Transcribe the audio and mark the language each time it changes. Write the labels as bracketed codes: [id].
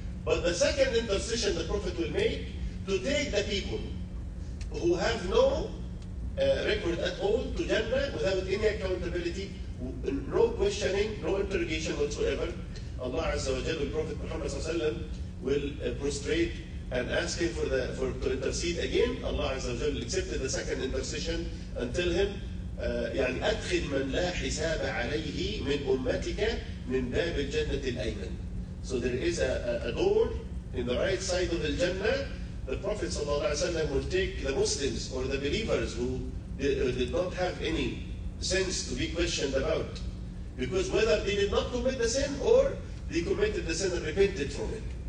[en] But the second intercession the Prophet will make, to take the people who have no record at all to Jannah without any accountability, no questioning, no interrogation whatsoever, Allah Azza wa Jalla, Prophet Muhammad will prostrate and ask him to intercede again. Allah Azza wa Jalla accepted the second intercession and tell him, [ar] يعني أدخل من لا حساب عليه من أمتك من باب الجنة الأيمن. [en] So there is a door in the right side of the Jannah. The Prophet [ar] صلى الله عليه وسلم [en] will take the Muslims or the believers who did not have any sins to be questioned about, because whether they did not commit the sin or they committed the sin and repented from it.